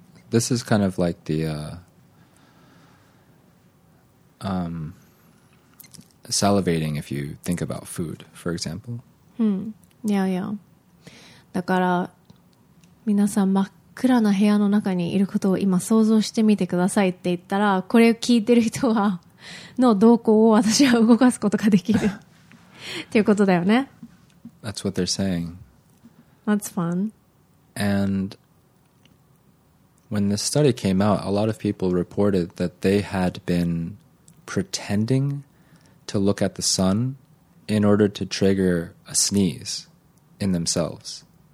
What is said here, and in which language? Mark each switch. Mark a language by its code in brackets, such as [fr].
[en] This is kind of like the salivating if you think about food, for example. Yeah, yeah. [ja] だから皆さん真っ暗な部屋の中にいることを今想像してみてくださいって言ったら、これを聞いてる人はの瞳孔を私は動かすことができるっていうことだよね。 [en] That's what they're saying. That's fun. And when this study came out, a lot of people reported that they had been pretending to look at the sun in order to trigger a sneeze in themselves.